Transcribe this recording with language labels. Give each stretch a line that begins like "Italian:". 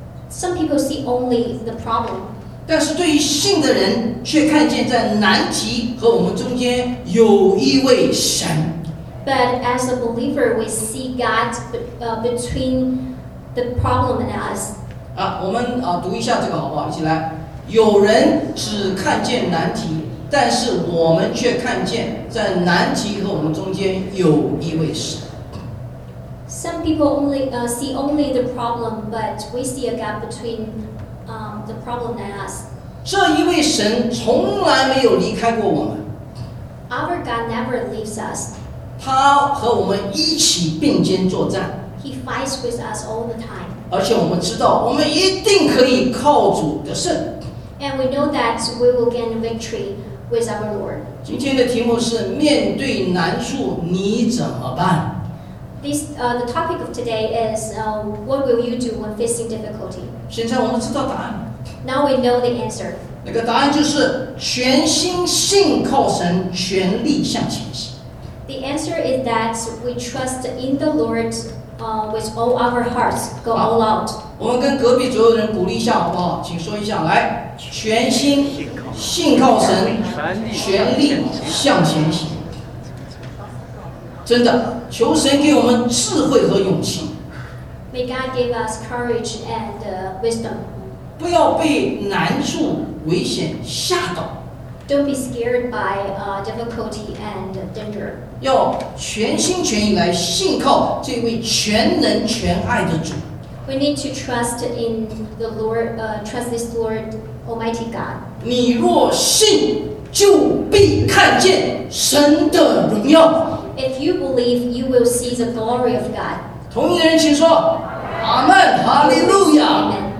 English: Some people see only the problem.
Chinese: 但是对于信的人，却看见在难题和我们中间有一位神。
English: But as a believer, we see God between the problem and us.
Chinese: 啊，我们啊读一下这个好不好？一起来。有人只看见难题，但是我们却看见在难题和我们中间有一位神。
English: Some people only see only the problem, but we see a God between the problem and us.
Chinese: 这一位神从来没有离开过我们。
English: Our God never leaves us.
Chinese: 他和我们一起并肩作战。
English: He fights with us all the time.
Chinese: 而且我们知道，我们一定可以靠主得胜。
English: And we know that we will gain victory with our Lord.
Chinese: 今天的题目是面对难处你怎么办
English: ？This the topic of today is what will you do when facing difficulty?
Chinese: 现在我们知道答案。
English: Now we know the answer.
Chinese: 那个答案就是全心信靠神，全力向前行。
English: The answer is that we trust in the Lord with all our hearts. Go all out.
Chinese: 我们跟隔壁左右的人鼓励一下，好不好？请说一下，来，全心信靠神，全力向前行。真的，求神给我们智慧和勇气。
English: May God give us courage and wisdom.
Chinese: 不要被难处、危险吓到。
English: Don't be scared by difficulty and danger.
Chinese: 要全心全意来信靠这位全能全爱的主。
English: We need to trust in the Lord, trust this Lord Almighty God.
Chinese: 你若信，就必看见神的荣耀。
English: If you believe, you will see the glory of God.
Chinese: 同意的人请说，阿门，哈利路亚。